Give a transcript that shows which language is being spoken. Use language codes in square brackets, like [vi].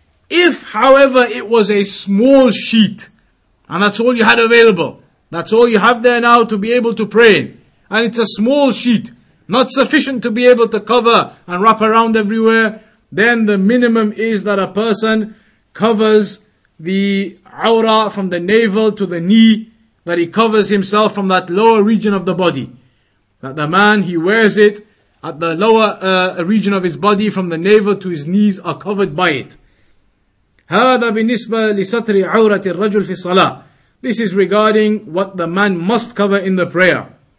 [en] If, however, it was a small sheet, and that's all you had available, that's all you have there now to be able to pray in, and it's a small sheet, not sufficient to be able to cover and wrap around everywhere, then the minimum is that a person covers the awra from the navel to the knee, that he covers himself from that lower region of the body. That the man, he wears it at the lower region of his body, from the navel to his knees are covered by it. [ar] هذا بالنسبة لستر عورة الرجل في الصلاة. [en] This is regarding what the man must cover in the prayer.